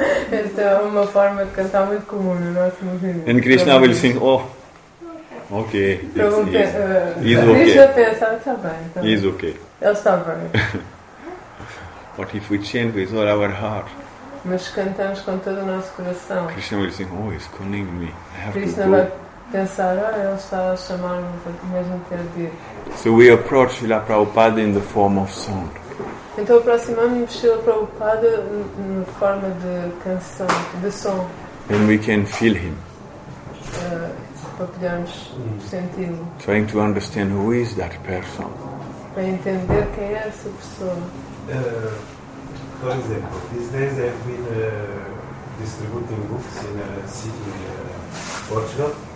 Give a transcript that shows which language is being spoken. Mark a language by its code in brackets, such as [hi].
[pt] Esta é uma forma de cantar muito comum no nosso movimento. [en] And Krishna will sing, okay. [pt] Krishna pensa, está bem. [en] He's okay. [pt] Ele está bem. [en] But if we chant with all our heart, [pt] mas cantamos com todo o nosso coração, [en] Krishna will sing, he's calling me. I have Krishna to go. [pt] Pensar, ele está a chamar-me para mesmo ter de ir. [en] So we approach Srila Prabhupada in the form of song. [pt] Então aproximamos-nos de Srila Prabhupada na forma de canção, de som. [en] And we can feel him. [pt] Para podermos senti-lo. [en] Trying to understand who is that person. [pt] Para entender quem é essa pessoa. [en] For example, these days I've been distributing books in a city in Portugal.